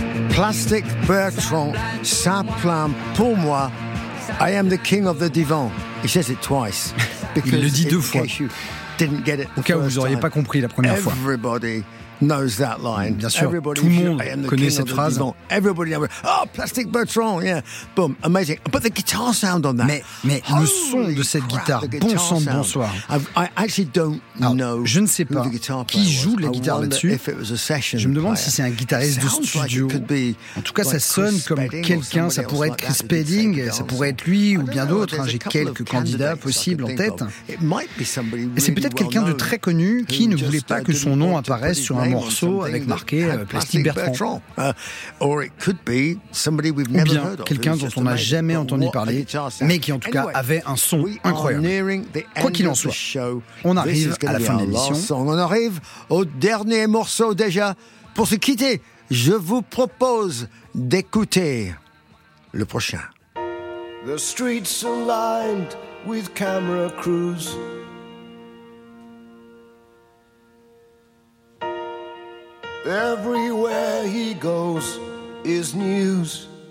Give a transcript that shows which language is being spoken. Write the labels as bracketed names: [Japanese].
[French] Plastic Bertrand, ça plane pour moi. [English] I am the king of the divan. He says it twice. [French] Il le dit deux fois. [English] Didn't get it [French] au cas où vous n'auriez pas compris la première fois. [English] Everybody knows that line. [French] Bien sûr, [English] everybody [French] tout le monde connaît cette phrase. [English] Everybody knows. Oh, Plastic Bertrand, yeah. Boom, amazing. But the guitar sound on that. [French] Mais le son de cette guitare, bon sang de bonsoir. [English] I actually don't know. [French] Je ne sais pas qui joue la guitare là-dessus. Je me demande si c'est un guitariste de studio. En tout cas, ça sonne comme quelqu'un. Ça pourrait être Chris Spedding, ça pourrait être lui ou bien d'autres. J'ai quelques candidats possibles en tête. Et c'est peut-être quelqu'un de très connu qui ne voulait pas que son nom apparaisse sur un morceau avec marqué Plastic Bertrand. [English] Or it could be somebody we've never [French] ou bien quelqu'un dont on n'a jamais entendu parler, mais qui en tout cas avait un son incroyable. Quoi qu'il en soit, on arrive à la fin de l'émission. On arrive au dernier morceau déjà. Pour se quitter, je vous propose d'écouter le prochain. [English] The streets are lined with camera crews. Everywhere he goes is news.